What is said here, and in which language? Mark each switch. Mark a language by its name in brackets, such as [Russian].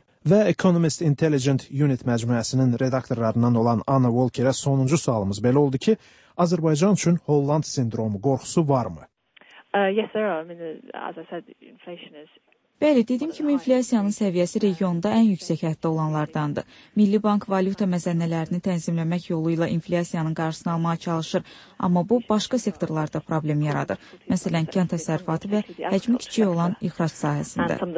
[Azerbaijani] Və Economist Intelligent Unit məcmuəsinin redaktorlarından olan Anna Walker-ə sonuncu sualımız belə oldu ki, Azərbaycan üçün Holland sindromu qorxusu varmı? [English] Yes, there are. I mean, as I said, inflation is... [Azerbaijani] Bəli, dediyim kimi, inflyasiyanın səviyyəsi regionda ən yüksək həddə olanlardandır. Milli Bank valyuta məzənnələrini tənzimləmək yolu ilə inflyasiyanın qarşısını almağa çalışır, amma bu, başqa sektorlarda problem yaradır. Məsələn, kənd təsərrüfatı və həcmi kiçik olan ixrac sahəsində.